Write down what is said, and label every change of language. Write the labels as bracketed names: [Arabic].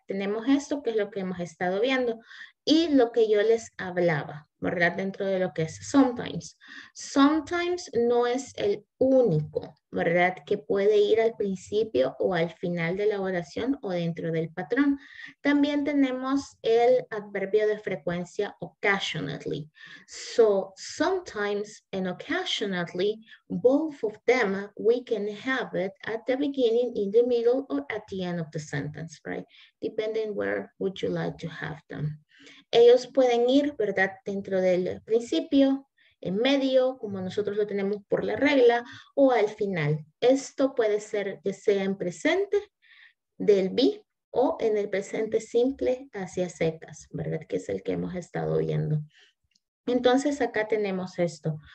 [Spanish] Tenemos esto, que es lo que hemos estado viendo. Y lo que yo les hablaba, ¿verdad? Dentro de lo que es sometimes. Sometimes no es el único, ¿verdad? Que puede ir al principio o al final de la oración o dentro del patrón. También tenemos el adverbio de frecuencia occasionally. [English] So, sometimes and occasionally, both of them, we can have it at the beginning, in the middle, or at the end of the sentence, right? Depending where would you like to have them. [Spanish] Ellos pueden ir, ¿verdad? Dentro del principio, en medio, como nosotros lo tenemos por la regla, o al final. Esto puede ser que sea en presente del be o en el presente simple hacia secas, ¿verdad? Que es el que hemos estado viendo. Entonces acá tenemos esto.